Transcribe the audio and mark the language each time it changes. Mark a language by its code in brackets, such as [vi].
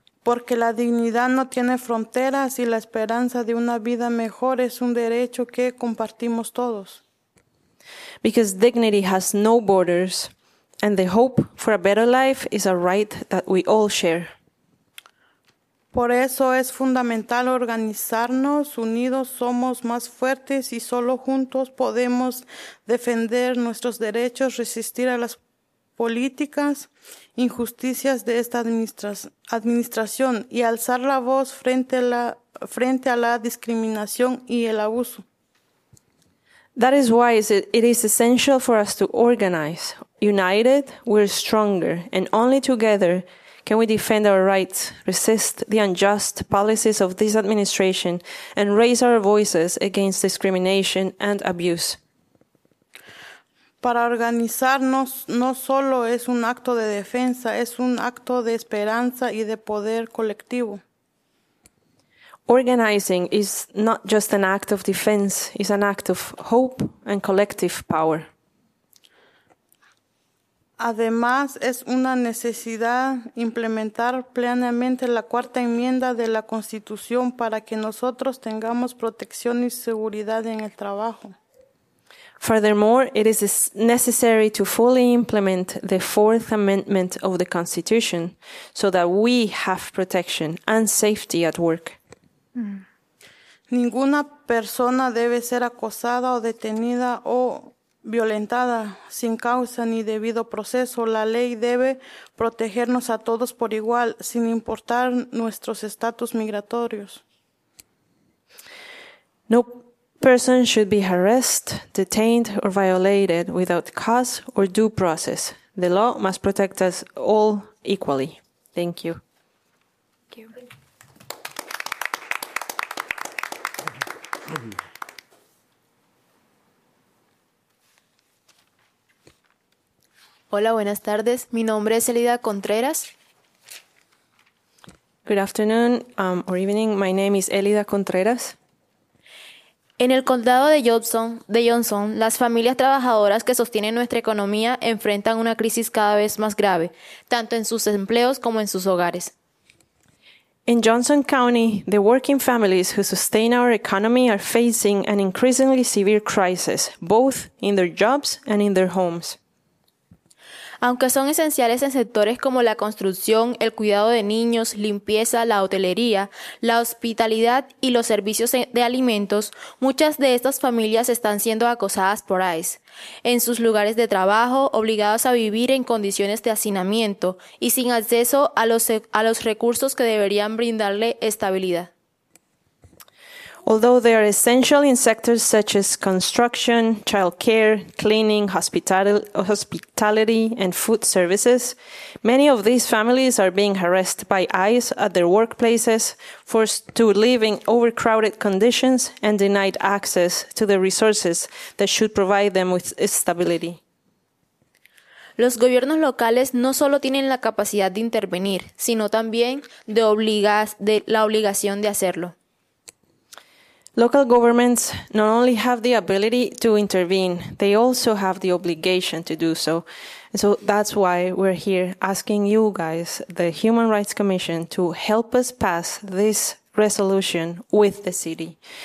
[es] porque la dignidad no tiene fronteras y la esperanza de una vida mejor es un derecho que compartimos todos. [en] Because dignity has no borders, and the hope for a better life is a right that we all share. [es] Por eso es fundamental organizarnos, unidos somos más fuertes y solo juntos podemos defender nuestros derechos, resistir a las políticas, injusticias de esta administración y alzar la voz frente a la discriminación y el abuso. [en] That is why it is essential for us to organize. United, we're stronger, and only together can we defend our rights, resist the unjust policies of this administration, and raise our voices against discrimination and abuse. [es] Para organizarnos, no solo es un acto de defensa, es un acto de esperanza y de poder colectivo. [en] Organizing is not just an act of defense, it's an act of hope and collective power. [es] Además, es una necesidad implementar plenamente la cuarta enmienda de la Constitución para que nosotros tengamos protección y seguridad en el trabajo. [en] Furthermore, it is necessary to fully implement the Fourth Amendment of the Constitution so that we have protection and safety at work. [es] Ninguna persona debe ser acosada o detenida o violentada sin causa ni debido proceso. La ley debe protegernos a todos por igual, sin importar nuestros estatus migratorios. [en] No person should be harassed, detained, or violated without cause or due process. The law must protect us all equally. Thank you. Thank you. [es] Hola, buenas tardes. Mi nombre es Elida Contreras. [en] Good afternoon, or evening. My name is Elida Contreras. [es] En el condado de Johnson, las familias trabajadoras que sostienen nuestra economía enfrentan una crisis cada vez más grave, tanto en sus empleos como en sus hogares. [en] In Johnson County, the working families who sustain our economy are facing an increasingly severe crisis, both in their jobs and in their homes. [es] Aunque son esenciales en sectores como la construcción, el cuidado de niños, limpieza, la hotelería, la hospitalidad y los servicios de alimentos, muchas de estas familias están siendo acosadas por ICE en sus lugares de trabajo, obligados a vivir en condiciones de hacinamiento y sin acceso a los recursos que deberían brindarle estabilidad. [en] Although they are essential in sectors such as construction, childcare, cleaning, hospitality, and food services, many of these families are being harassed by ICE at their workplaces, forced to live in overcrowded conditions, and denied access to the resources that should provide them with stability. [es] Los gobiernos locales no solo tienen la capacidad de intervenir, sino también de la obligación de hacerlo. [en] Local governments not only have the ability to intervene, they also have the obligation to do so. And so that's why we're here asking you guys, the Human Rights Commission, to help us pass this resolution with the city.